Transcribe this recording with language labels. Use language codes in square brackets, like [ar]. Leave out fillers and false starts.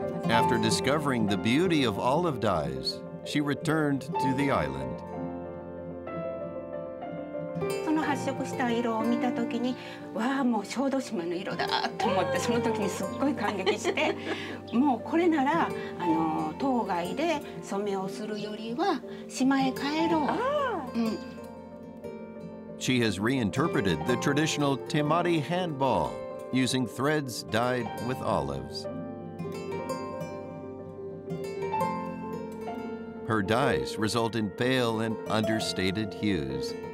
[en] After discovering the beauty of olive dyes, she returned to the island. [ja] その発色した色を見たときに、わあ、もう小豆島の色だと思って、その時にすっごい感激して、もうこれなら島外で染めをするよりは島へ帰ろう。 [en] She has reinterpreted the traditional temari handball using threads dyed with olives. Her dyes result in pale and understated hues.